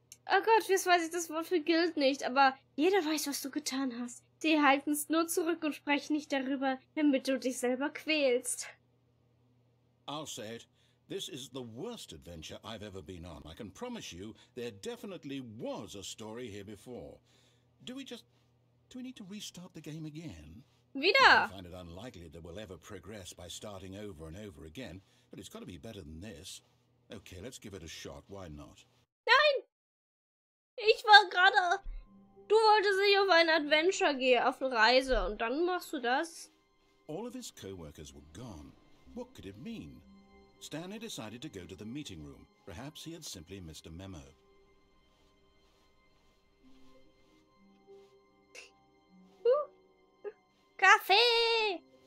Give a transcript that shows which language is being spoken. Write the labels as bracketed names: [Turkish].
[German] Oh Gott, jetzt weiß ich das Wort für Guild nicht, aber jeder weiß, was du getan hast. Die halten es nur zurück und sprechen nicht darüber, damit du dich selber quälst. [English] I'll say it. This is the worst adventure I've ever been on. I can promise you, there definitely was a story here before. Do we need to restart the game again? [German] Wieder! [English] I find it unlikely that we'll ever progress by starting over and over again, but it's got to be better than this. Okay, let's give it a shot. Why not? [German] Nein! Ich war gerade... Du wolltest nicht auf ein Adventure gehen, auf eine Reise, und dann machst du das? [English] All of his co-workers were gone. What could it mean? Stanley decided to go to the meeting room. Perhaps he had simply missed a memo. [German] Kaffee!